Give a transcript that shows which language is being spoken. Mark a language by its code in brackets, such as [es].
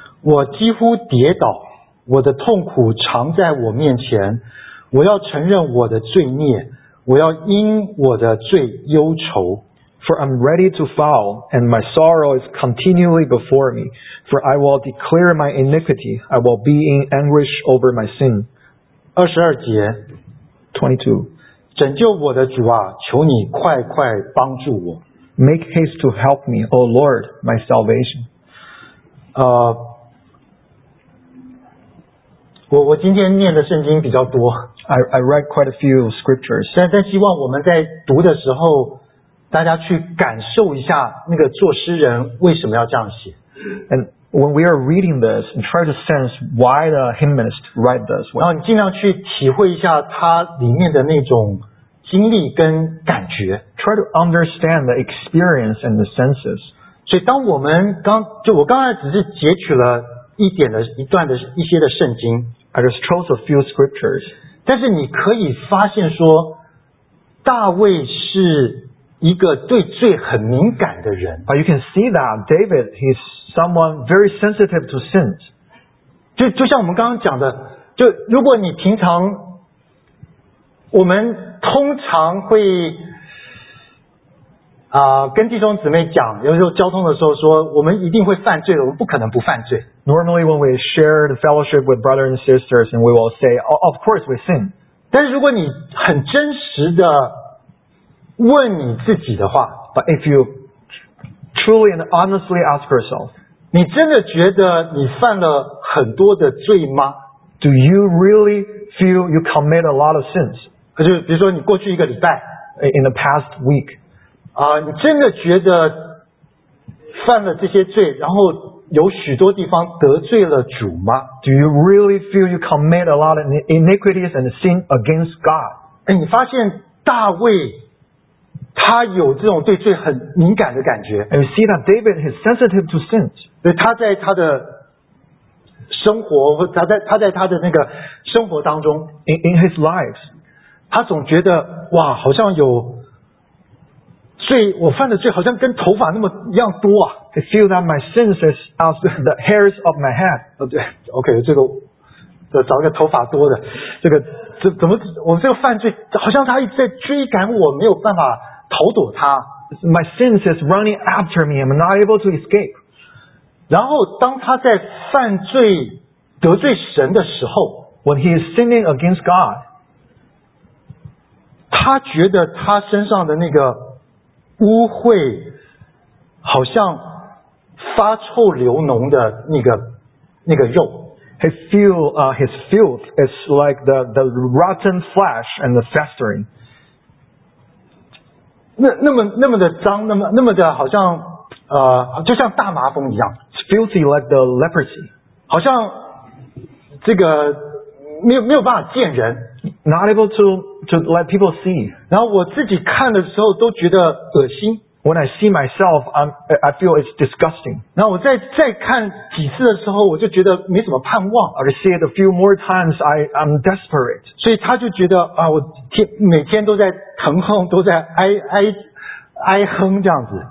[zh] 我几乎跌倒，我的痛苦常在我面前，我要承认我的罪孽，我要因我的罪忧愁。 [en] For I'm ready to fall, and my sorrow is continually before me. For I will declare my iniquity, I will be in anguish over my sin. [zh] 22节 [en] 22. [zh] 拯救我的主啊，求你快快帮助我。 [en] Make haste to help me, O Lord, my salvation. [zh] 我今天念的圣经比较多。 [en] I read quite a few scriptures. [zh] 但希望我们在读的时候大家去感受一下那个作诗人为什么要这样写。 [en] And when we are reading this, and try to sense why the hymnist write this. [zh] 然后你尽量去体会一下他里面的那种经历跟感觉。 [en] Try to understand the experience and the senses. [zh] 所以当我们刚，就我刚才只是截取了一点的，一段的，一些的圣经。 [en] I just chose a few scriptures. [zh] 但是你可以发现说，大卫是一个对罪很敏感的人。 [en] But you can see that David, he's someone very sensitive to sins. [zh] 就像我们刚刚讲的，就如果你平常，我们通常会跟弟兄姊妹讲，有时候交通的时候说，我们一定会犯罪的，我们不可能不犯罪。 [en] Normally when we share the fellowship with brothers and sisters, and we will say, of course we sin. [zh] 但是如果你很真实的问你自己的话， [en] But if you truly and honestly ask yourself, [zh] 你真的觉得你犯了很多的罪吗？ [en] Do you really feel you commit a lot of sins? [zh] 就比如说你过去一个礼拜， [en] In the past week, [zh] 你真的觉得犯了这些罪，然后有许多地方得罪了主吗？ [en] Do you really feel you commit a lot of iniquities and sin against God? [zh] 你发现大卫他有这种对罪很敏感的感觉。 [en] And you see that David is sensitive to sins. [zh] 对，他在他的生活，他在他的那个生活当中 [en] ，in his lives， [zh] 他总觉得哇，好像有罪，我犯的罪好像跟头发那么一样多啊。 [en] I feel that my sins is as the hairs of my head. [zh] 对 ，OK， 这个。找一个头发多的，这个怎么我这个犯罪好像他一直在追赶我，没有办法逃躲他。 [en] My sins is running after me. I'm not able to escape. [zh] 然后当他在犯罪得罪神的时候， [en] When he is sinning against God, [zh] 他觉得他身上的那个污秽好像发臭流脓的那个肉。 [en] His feel, his filth is like the rotten flesh and the festering. [zh] 那么的脏，那么的好像就像大麻风一样。 [en] It's filthy like the leprosy. [zh] 好像这个没有办法见人。 [en] Not able to let people see. [zh] 然后我自己看的时候都觉得恶心。 [en] When I see myself, I feel it's disgusting. [zh] 然后我再看几次的时候，我就觉得没什么盼望。 [en] I see it a few more times, I'm desperate. [zh] 所以他就觉得啊，我每天都在疼痛，都在哀哼这样子。